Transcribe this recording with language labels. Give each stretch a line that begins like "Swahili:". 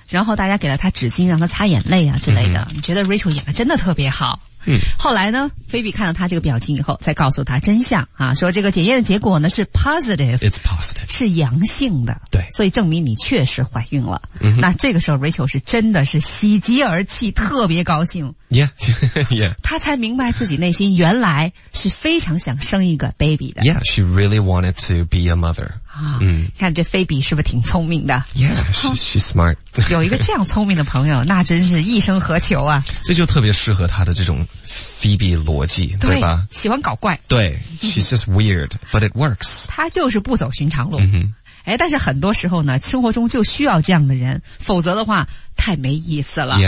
Chinese: 然后大家给了他纸巾让他擦眼泪啊之类的、你觉得 Rachel 演得真的特别好、后来呢菲比看到他这个表情以后再告诉他真相啊，说这个检验的结果呢是 positive 是阳性的对所以证明你确实怀孕了、那这个时候 Rachel 是真的是喜极而泣特别高兴 yeah 他才明白自己内心原来是非常想生一个 baby 的
English: yeah she really wanted to be a mother
Chinese: 看这菲比是不是挺聪明的
English: yeah she's smart
Chinese: 有一个这样聪明的朋友那真是一生何求啊这就特别适合他的这种菲比逻辑对吧喜欢搞怪
English: 对 she's just weird but it works
Chinese: 他就是不走寻常路但是很多时候呢生活中就需要这样的人否则的话太没意思了